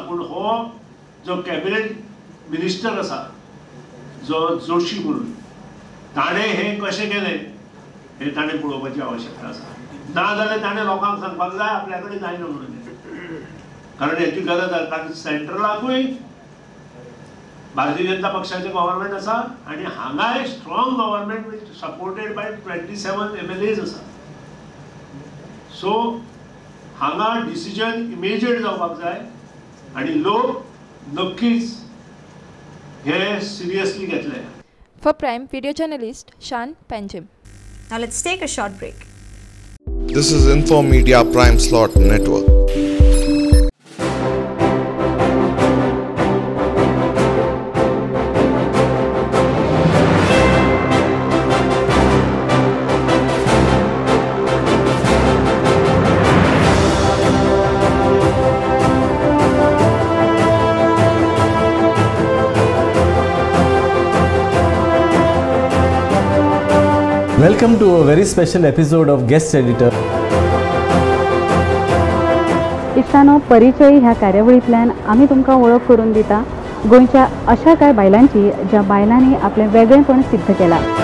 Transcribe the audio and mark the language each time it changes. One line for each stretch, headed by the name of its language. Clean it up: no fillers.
Goan Konkani: पूण हो जो कॅबिनेट मिनिस्टर आसा जो जोशी म्हणून ताणें हें कशें केलें हें ताणें पळोवपाची आवश्यकता आसा. नाजाल्यार ताणें लोकांक सांगपाक जाय आपल्या कडेन जायना म्हणून. कारण याची गरज आहे. कारण सेंट्रलाकूय भारतीय जनता पक्षाचे गव्हर्नमेंट असा आणि हांगाय
English: strong government with supported by 27 MLAs
Goan Konkani: असा. सो हांगा डिसिजन इमिजिएट जावपाक जाय आणि लोक नक्कीच हे सिरियसली घेतले.
English: For prime video journalist Shan Panjim. Now let's take a short break. This is info media prime slot network. Welcome to a very special episode of Guest Editor.
Goan Konkani: इसानो परिचय ह्या कार्यवळीतल्यान आम्ही तुमकां ओळख करून दिता गोंयच्या अशा काय बायलांची ज्या बायलांनी आपले वेगळेपण सिद्ध केला.